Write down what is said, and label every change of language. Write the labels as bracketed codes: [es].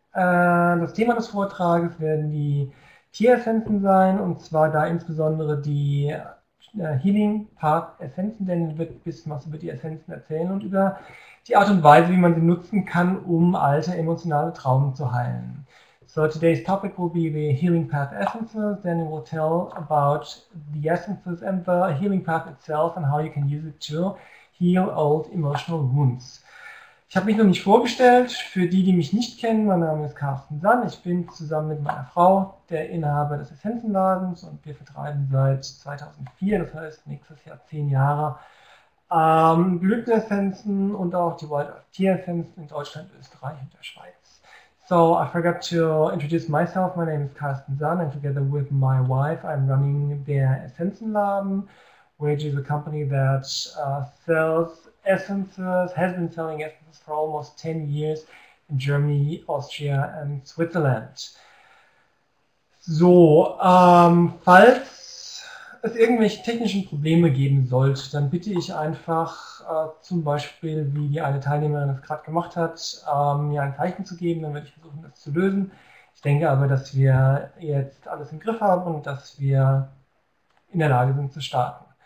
[de] Das Thema des Vortrages werden die Tieressenzen sein, und zwar da insbesondere die Healing Path Essenzen, denn wird ein bisschen was über die Essenzen erzählen und über die Art und Weise, wie man sie nutzen kann, um alte emotionale Traumen zu heilen. [en] So today's topic will be the Healing Path Essences. Then it will tell about the essences and the Healing Path itself and how you can use it to heal old emotional wounds. [de] Ich habe mich noch nicht vorgestellt. Für die, die mich nicht kennen, mein Name ist Carsten Sann. Ich bin zusammen mit meiner Frau der Inhaber des Essenzenladens und wir vertreiben seit 2004, das heißt nächstes Jahr 10 Jahre, Blütenessenzen und auch die Wild of Tieressenzen in Deutschland, Österreich und der Schweiz. [en] So, I forgot to introduce myself. My name is Carsten Sann and together with my wife, I'm running der Essenzenladen, which is a company that sells essences, has been selling essences for almost 10 years in Germany, Austria and Switzerland. [de] So, falls es irgendwelche technischen Probleme geben sollte, dann bitte ich einfach zum Beispiel, wie die eine Teilnehmerin das gerade gemacht hat, mir ein Zeichen zu geben, dann werde ich versuchen, das zu lösen. Ich denke aber, dass wir jetzt alles im Griff haben und dass wir in der Lage sind zu starten.